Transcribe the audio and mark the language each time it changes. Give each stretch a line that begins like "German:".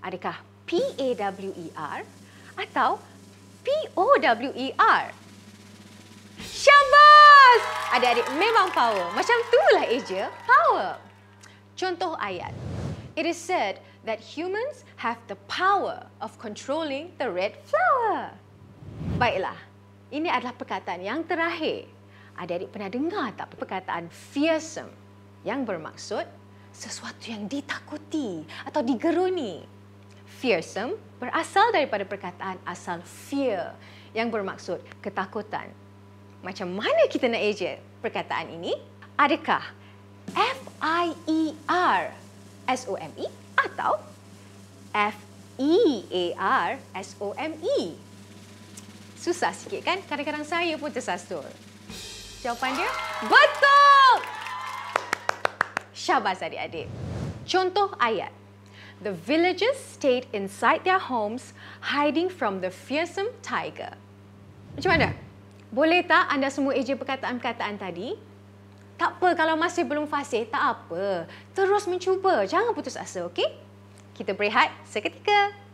Malay: Adakah P-A-W-E-R atau P-O-W-E-R? Syabas! Adik-adik memang power. Macam itulah eja power. Contoh ayat.
English: It is said that humans have the power of controlling the red flower.
Malay: Baiklah. Ini adalah perkataan yang terakhir. Adik-adik pernah dengar tak perkataan fearsome yang bermaksud sesuatu yang ditakuti atau digeruni? Fearsome berasal daripada perkataan asal fear yang bermaksud ketakutan. Macam mana kita nak eja perkataan ini? Adakah F-I-E-R-S-O-M-E atau F-E-A-R-S-O-M-E? Susah sikit kan? Kadang-kadang saya pun tersasul. Jawapan dia? Betul! Syabas adik-adik. Contoh ayat.
English: The villagers stayed inside their homes, hiding from the fearsome tiger.
Malay: Macam mana? Boleh tak anda semua eja perkataan-perkataan tadi? Tak apa kalau masih belum fasih, tak apa. Terus mencuba. Jangan putus asa, okey? Kita berehat seketika.